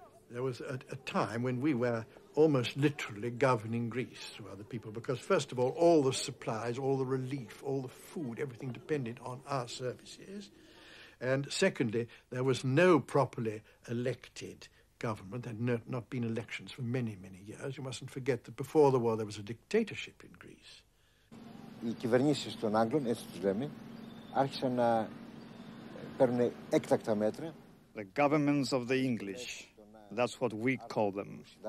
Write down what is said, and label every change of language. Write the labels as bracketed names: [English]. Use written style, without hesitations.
[English] There was a time when we were almost literally governing Greece to other people, because first of all the supplies, all the relief, all the food, everything depended on our services. And secondly, there was no properly elected government. There had not been elections for many, many years. You mustn't forget that before the war there was a dictatorship in Greece. [Greek] Οι κυβερνήσεις των Άγγλων, έτσι τους λέμε, άρχισαν να παίρνουν έκτακτα μέτρα. [English] The governments of the English, that's what we call them.